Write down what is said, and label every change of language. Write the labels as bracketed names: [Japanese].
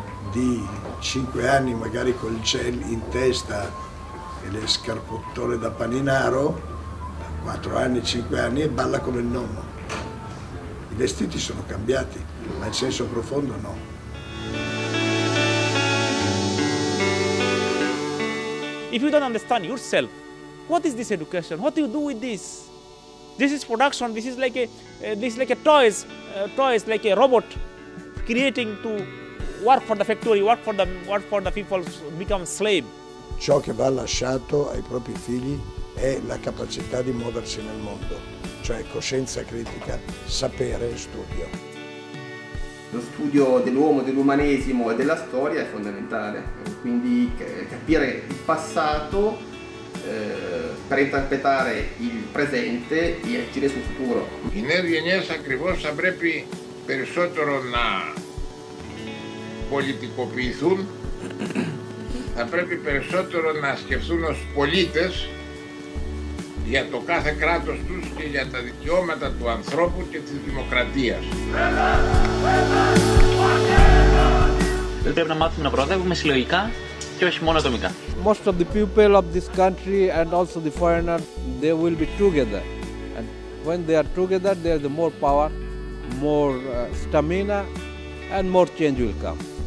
[Italian] di 5 anni, magari col gel in testa e le scarpottole da paninaro, 4 anni, 5 anni, e balla con il nonno. I vestiti sono cambiati, ma il senso profondo no. [English] If you don't understand yourself, what is this education? What do you do with this? This is production. This is like a toys, toys like a robot creating to work for the factory, work for the people become slave. [Italian] Ciò che va lasciato ai propri figli è la capacità di muoversi nel mondo, cioè coscienza critica, sapere e studio. Lo studio dell'uomo, dell'umanesimo e della storia è fondamentale, quindi capire il passato per interpretare il presente e agire sul futuro. [Greek] In Ergenes ακριβώς θα πρέπει περισσότερο να πολιτικοποιηθούν, θα πρέπει περισσότερο να σκεφτούν ως πολίτες για το κάθε κράτος τους και για τα δικαιώματα του ανθρώπου και της δημοκρατίας. Πρέπει να μάθουμε να προοδεύουμε συλλογικά και όχι μόνο ατομικά. [English] Most of the people of this country and also the foreigners, they will be together. And when they are together, they have the more power, more stamina and more change will come.